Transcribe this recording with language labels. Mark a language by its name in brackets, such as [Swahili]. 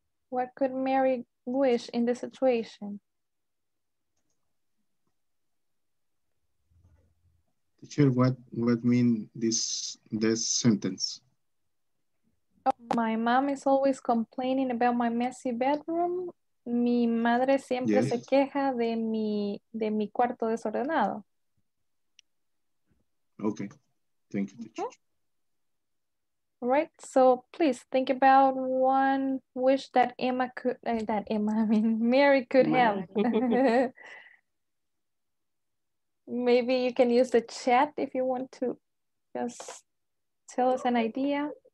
[English] What could Mary wish in this situation? Teacher, what mean this sentence? My mom is always complaining about my messy bedroom. [Spanish] Mi madre siempre se queja de mi cuarto desordenado. [English] Okay, thank you, teacher. All right, so please think about one wish that Emma could, Mary could have. Maybe you can use the chat if you want to just tell us an idea.